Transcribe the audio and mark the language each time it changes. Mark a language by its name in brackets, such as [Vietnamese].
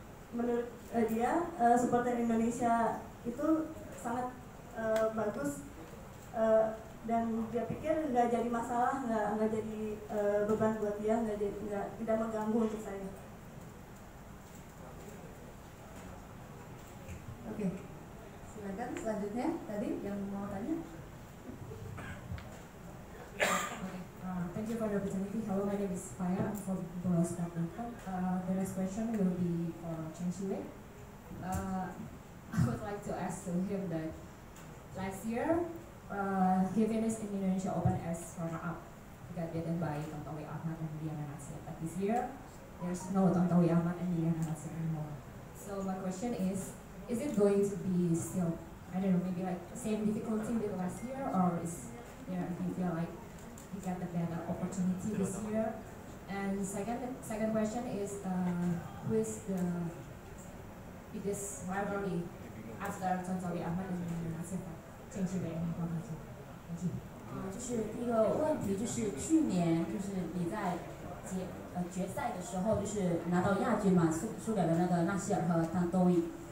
[Indonesian] menurut dia supporter Indonesia itu sangat bagus dan dia pikir nggak jadi masalah, nggak jadi beban buat dia, tidak mengganggu untuk saya. Oke, silakan selanjutnya tadi yang mau tanya. [English] Thank you for the opportunity. Hello, my name is Faya from Bulos Kapanakan. The next question will be for Cheng Siwei. I would like to ask to him that last year he finished in Indonesia Open as runner-up. He got beaten by Tontowi Ahmad and Diana Nasir. But this year, there's no Tontowi Ahmad and Diana Nasir anymore. So my question is, is it going to be still, I don't know, maybe like the same difficulty with last year, or is, you know, you feel like you get a better opportunity this year? And second question is, who is the biggest rivalry after Tontowi Ahmad and Nasifa? Thank you very much. Thank you. [Chinese] 就是第一个问题，就是去年就是你在决赛的时候，就是拿到亚军嘛，输给了那个纳希尔和汤多伊。